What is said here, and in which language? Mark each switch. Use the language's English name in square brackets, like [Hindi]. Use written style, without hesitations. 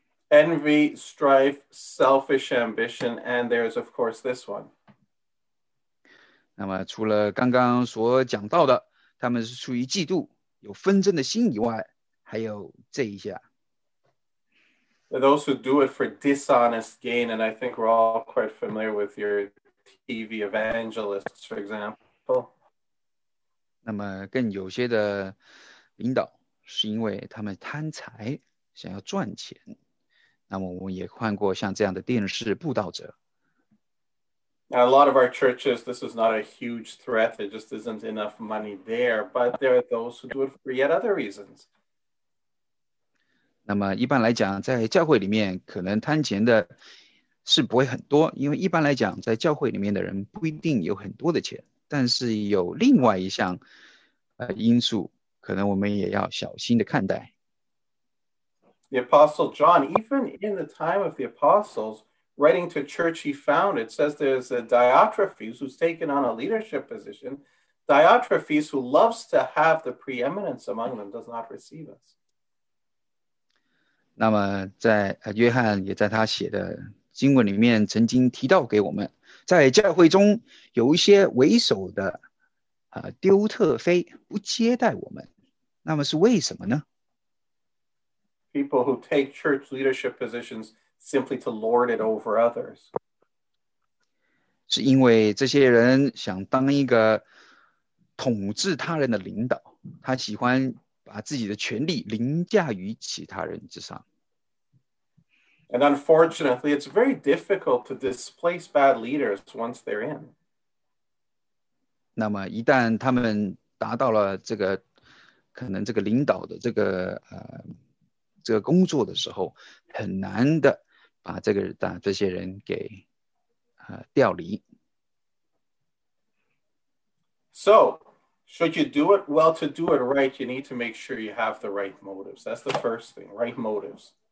[English] Envy, strife, selfish ambition, and there's of course this one. [Chinese] 那么除了刚刚所讲到的，他们是出于嫉妒，有纷争的心以外，还有这一下。 [English] Those who do it for dishonest gain, and I think we're all quite familiar with your TV evangelists, for example. [Chinese] 那么更有些的领导是因为他们贪财，想要赚钱。那么我们也看过像这样的电视布道者。 [English] Now, a lot of our churches, this is not a huge threat. There just isn't enough money there. But there are those who do it for yet other reasons. [Chinese] 那么一般来讲，在教会里面可能贪钱的是不会很多，因为一般来讲，在教会里面的人不一定有很多的钱。但是有另外一项因素，可能我们也要小心的看待。 [English] The Apostle John, even in the time of the apostles, writing to church he founded, says there's a Diotrephes who's taken on a leadership position. Diotrephes, who loves to have the preeminence among them, does not receive us. [Chinese] 那么在约翰也在他写的经文里面曾经提到给我们，在教会中有一些为首的丢特非不接待我们，那么是为什么呢？ [English] people who take church leadership positions simply to lord it over others. [Chinese] 是因为这些人想当一个统治他人的领导，他喜欢把自己的权力凌驾于其他人之上。 [English] And unfortunately, it's very difficult to displace bad leaders once they're in. [Chinese] 那么一旦他们达到了这个可能这个领导的这个这个工作的时候，很难的把这个把这些人给调离。 [English] So, should you do it? Well, to do it right, you need to make sure you have the right motives. That's the first thing, right motives.